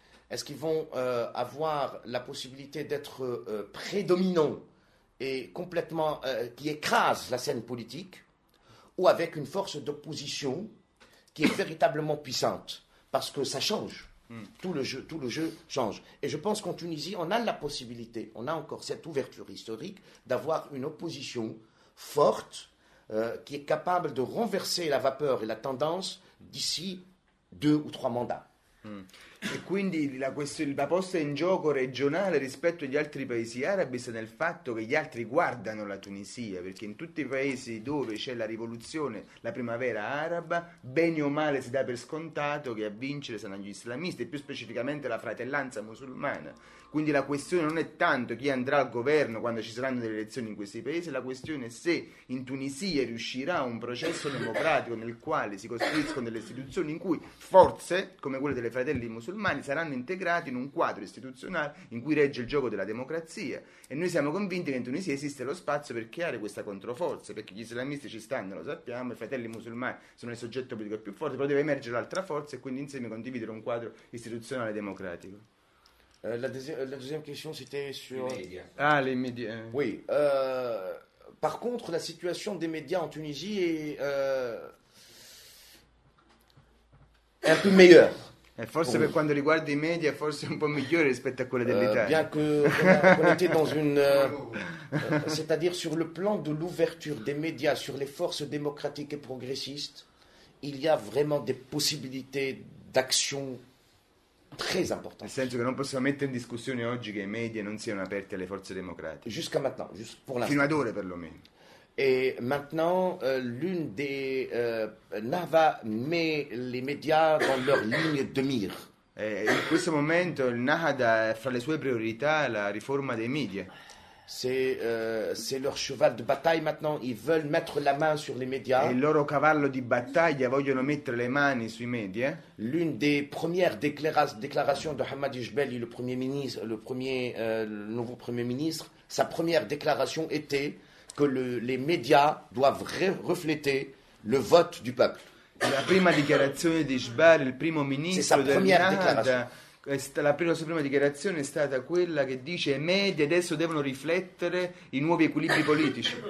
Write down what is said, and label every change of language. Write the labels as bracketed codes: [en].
[fr] Est-ce qu'ils vont avoir la possibilité d'être prédominants et complètement qui écrasent la scène politique ou avec une force d'opposition qui est véritablement puissante parce que ça change. Tout le jeu change. Et je pense qu'en Tunisie, on a la possibilité, on a encore cette ouverture historique d'avoir une opposition forte qui est capable de renverser la vapeur et la tendance d'ici deux ou trois mandats. [it] E quindi la posta in gioco regionale rispetto agli altri paesi arabi sta nel fatto che gli altri guardano la Tunisia, perché in tutti i paesi dove c'è la rivoluzione, la primavera araba, bene o male si dà per scontato che a vincere saranno gli islamisti e più specificamente la Fratellanza Musulmana. Quindi la questione non è tanto chi andrà al governo quando ci saranno delle elezioni in questi paesi, la questione è se in Tunisia riuscirà un processo democratico nel quale si costruiscono delle istituzioni in cui forze, come quelle delle Fratelli Musulmani, saranno integrate in un quadro istituzionale in cui regge il gioco della democrazia. E noi siamo convinti che in Tunisia esiste lo spazio per creare questa controforza, perché gli islamisti ci stanno, lo sappiamo, i Fratelli Musulmani sono il soggetto politico più forte, però deve emergere l'altra forza e quindi insieme condividere un quadro istituzionale democratico. [fr] La deuxième question, c'était sur... Les médias. Oui. Par contre, la situation des médias en Tunisie est un peu meilleure. [it] Et forse per quanto riguarda i media, forse un po' migliore rispetto a quella dell'Italia. [fr] Bien que on était dans une... c'est-à-dire sur le plan de l'ouverture des médias sur les forces démocratiques et progressistes, il y a vraiment des possibilités d'action... très important. [it] Nel senso che non possiamo mettere in discussione oggi che i media non siano aperti alle forze democratiche. [fr] Jusqu'à maintenant, juste pour l'instant. [it] Fino ad ora perlomeno. [fr] Et maintenant, l'une des Nahwa met les médias dans leur ligne de mire. [it] In questo momento il Nahda fra le sue priorità la riforma dei media. [fr] C'est leur cheval de bataille maintenant. Ils veulent mettre la main sur les médias. [it] Il loro cavallo di battaglia vogliono mettere le mani sui media. [fr] L'une des premières déclarations de Hamad Djebeli, le premier ministre, le nouveau premier ministre, sa première déclaration était que les médias doivent refléter le vote du peuple. [it] La prima dichiarazione di Djebeli, il primo ministro del Nahda. La sua prima dichiarazione è stata quella che dice i media adesso devono riflettere i nuovi equilibri politici.